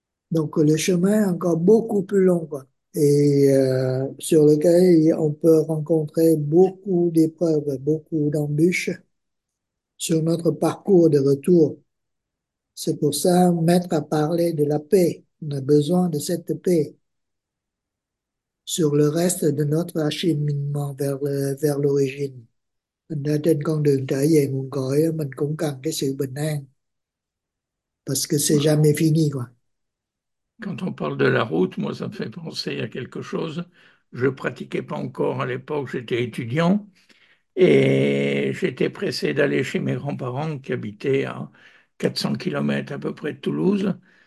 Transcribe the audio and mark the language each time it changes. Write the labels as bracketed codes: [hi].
[fr] Donc le chemin est encore beaucoup plus long, quoi. Et sur lequel on peut rencontrer beaucoup d'épreuves, beaucoup d'embûches sur notre parcours de retour. C'est pour ça, Maître a parlé de la paix. On a besoin de cette paix sur le reste de notre acheminement vers l'origine. [vi] Mình đã trên con đường trở về nguồn cội, mình cũng cần cái sự bình an. [fr] Parce que c'est jamais fini, quoi. Quand on parle de la route, moi, ça me fait penser à quelque chose. Je ne pratiquais pas encore à l'époque, j'étais étudiant et j'étais pressé d'aller chez mes grands-parents qui habitaient à 400 km à peu près de Toulouse.